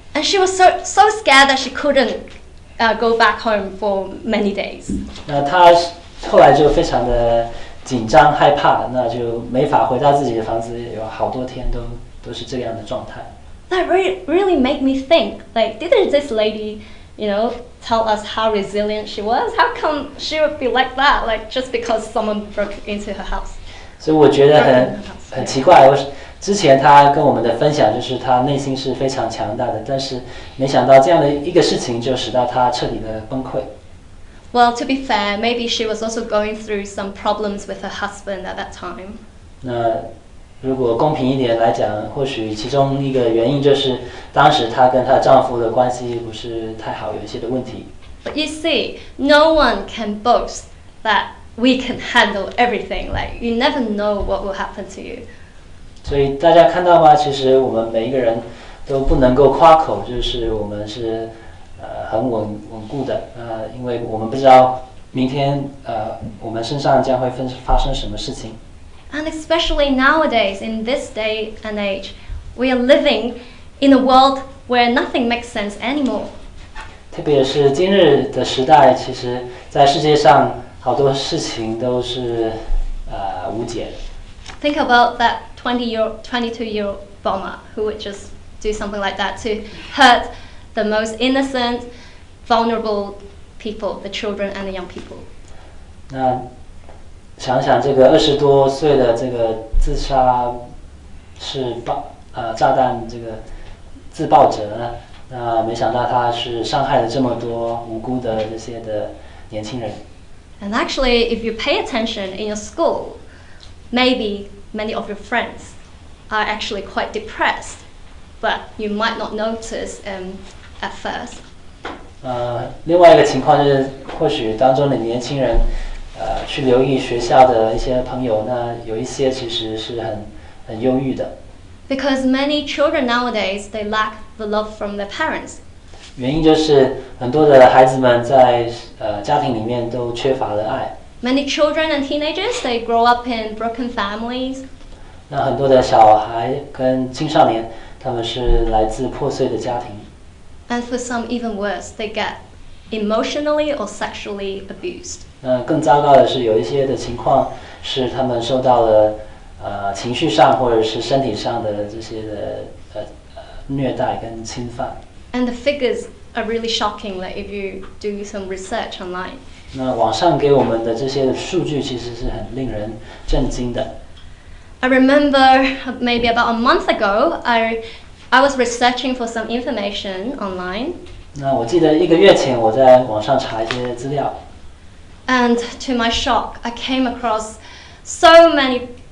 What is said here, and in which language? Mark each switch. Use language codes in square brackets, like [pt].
[en] And she was so scared that she couldn't go back home for many days. [zh] 那她后来就非常的紧张害怕，那就没法回到自己的房子，有好多天都是这样的状态。 [en] That really made me think, like, didn't this lady, you know, tell us how resilient she was? How come she would be like that, like, just because someone broke into her house? [zh] 所以我觉得很奇怪，之前她跟我们的分享就是她内心是非常强大的，但是没想到这样的一个事情就使到她彻底的崩溃。 [en] Well, to be fair, maybe she was also going through some problems with her husband at that time. [zh] 那如果公平一点来讲，或许其中一个原因就是当时她跟她丈夫的关系不是太好，有一些的问题。 [en] But you see, no one can boast that we can handle everything. Like, you never know what will happen to you. [zh] 所以大家看到吗？其实我们每一个人都不能够夸口，就是我们是很稳固的，因为我们不知道明天我们身上将会发生什么事情。 [en] And especially nowadays, in this day and age, we are living in a world where nothing makes sense anymore. [zh] 特别是今日的时代，其实在世界上好多事情都是无解的。 [en] Think about that 22-year-old bomber who would just do something like that to hurt the most innocent, vulnerable people, the children and the young people. [zh] 那想想这个二十多岁的这个自杀是炸弹这个自爆者，那没想到他是伤害了这么多无辜的这些的年轻人。 [en] And actually, if you pay attention in your school, Maybe many of your friends are actually quite depressed, but you might not notice at first. [zh] 另外一个情况就是，或许当中的年轻人，去留意学校的一些朋友，那有一些其实是很忧郁的。 [en] Because many children nowadays they lack the love from their parents. [zh] 原因就是很多的孩子们在家庭里面都缺乏了爱。 [en] Many children and teenagers they grow up in broken families. [zh] 那很多的小孩跟青少年，他们是来自破碎的家庭。 [en] And for some even worse, they get emotionally or sexually abused. [zh] 那更糟糕的是，有一些的情况是他们受到了。情绪上或者是身体上的这些的虐待跟侵犯。 [en] And the figures are really shocking. Like if you do some research online. [zh] 那网上给我们的这些数据其实是很令人震惊的。 [en] I remember maybe about a month ago, I was researching for some information online. [zh] 那我记得一个月前我在网上查一些资料。 [en] And to my shock, I came across so many.